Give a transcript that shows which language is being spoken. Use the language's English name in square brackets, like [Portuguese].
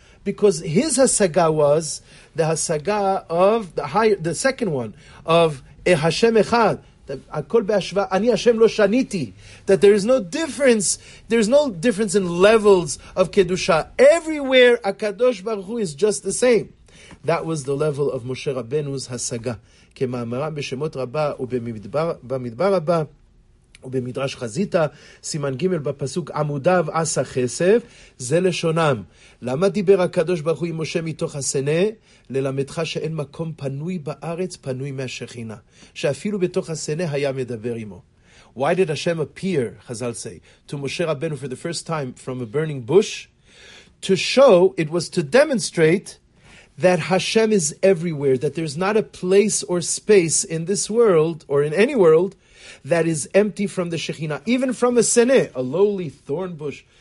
[English] Because his Hasaga was the Hasaga of the higher, the second one, of Hashem Echad, Ani Hashem Lo Shaniti, that there is no difference, there is no difference in levels of Kedusha. Everywhere, HaKadosh Baruch Hu is just the same. That was the level of Moshe Rabbeinu's Hasaga. [Hebrew] כמאמרם בשמות רבה ובמדבר רבה ובמדרש חזיתה, סימן ג' בפסוק עמודיו עשה חסב, זה לשונם. למה דיבר הקדוש ברוך הוא עם משה מתוך הסנה? ללמדך שאין מקום פנוי בארץ פנוי מהשכינה, שאפילו בתוך הסנה היה מדבר עמו. [English] Why did Hashem appear, חזל say, to Moshe Rabbeinu for the first time from a burning bush? To show, it was to demonstrate that Hashem is everywhere, that there's not a place or space in this world, or in any world, that is empty from the Shekhinah, even from a seneh, a lowly thorn bush.